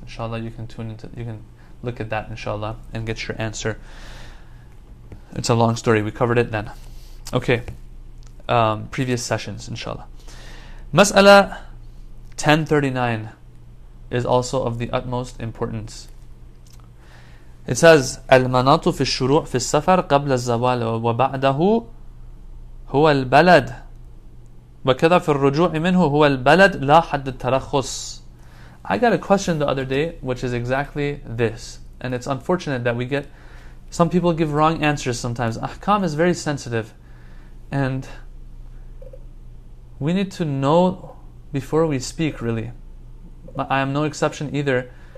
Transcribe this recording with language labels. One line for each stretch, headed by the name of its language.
English: Inshallah, you can look at that, inshallah, and get your answer. It's a long story. We covered it then. Okay. Previous sessions, inshallah. Mas'ala 10:39 is also of the utmost importance. It says,
Arabic: "المناطُ في الشروع في السفر قبل الزوال وبعده هو البلد، وكذا في الرجوع منه هو البلد لا حد الترخص."
English: I got a question the other day, which is exactly this, and it's unfortunate that some people give wrong answers sometimes. Ahkam is very sensitive, and we need to know before we speak, really. I am no exception either.